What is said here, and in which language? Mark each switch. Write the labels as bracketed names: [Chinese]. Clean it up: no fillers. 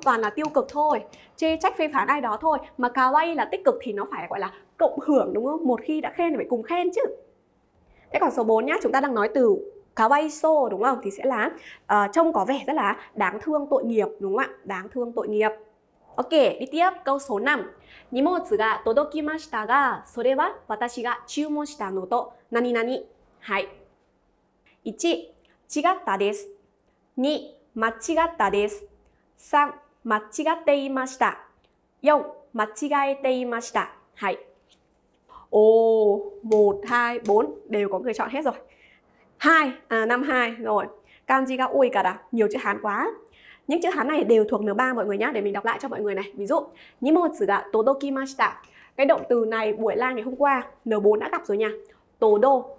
[Vietnamese] Toàn là tiêu cực thôi, chê trách phê phán ai đó thôi. Mà kawaii là tích cực thì nó phải gọi là cộng hưởng đúng không? Một khi đã khen thì phải cùng khen chứ. Thế còn số 4 nhá, chúng ta đang nói từ kawaii so đúng không? Thì sẽ là trông có vẻ rất là đáng thương tội nghiệp đúng không ạ? Đáng thương tội nghiệp. Ok, đi tiếp câu số 5. [Japanese] 荷物が届きましたが、それは私が注文したのと何々。 Hai. 1違ったです 2間違ったです 3間違っていました 4間違えていました. Hai. [Vietnamese] Ồ, 1 2 4 đều có người chọn hết rồi. 2 à 5 2 rồi. Kanji ga ui kara, nhiều chữ Hán quá. Những chữ Hán này đều thuộc N3 mọi người nhá, để mình đọc lại cho mọi người này. Ví dụ, nimotsu ga todokimashita. Cái động từ này buổi live ngày hôm qua N4 đã gặp rồi nha. Todo.